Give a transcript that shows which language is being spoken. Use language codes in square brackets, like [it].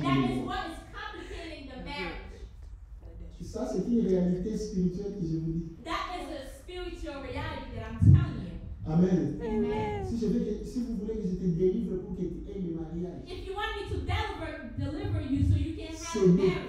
[en] And that is what is complicating the marriage. [fr] Et ça, c'est une réalité spirituelle que je vous dis. [en] That is a spiritual reality that I'm telling you. [fr] Amen. [en] Amen. [fr] Si, je veux que, si vous voulez que je te délivre pour que tu aies le mariage. [en] If you want me to deliver you so you can have